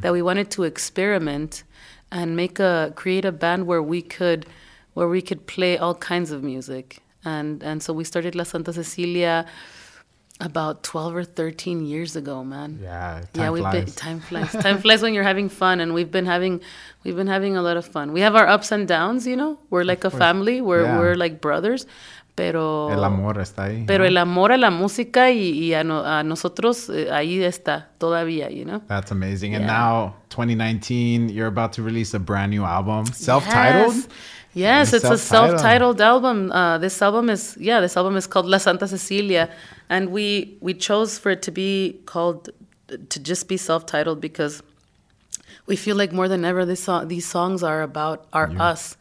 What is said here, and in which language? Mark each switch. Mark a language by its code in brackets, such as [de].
[en] that we wanted to experiment and create a band where we could play all kinds of music. And so we started La Santa Cecilia About 12 or 13 years ago, man. Yeah, time flies. Time flies when you're having fun, and we've been having a lot of fun. We have our ups and downs, you know? We're like a family. We're like brothers. Pero [es] el amor está ahí. Pero el amor a la música y a nosotros, ahí está todavía, [en] you know? That's amazing. Yeah. And now, 2019, you're about to release a brand new album. Self-titled? Yes, it's self-titled. This album is called La Santa Cecilia. And we chose for it to be called, to just be self-titled, because we feel like more than ever these songs are about us,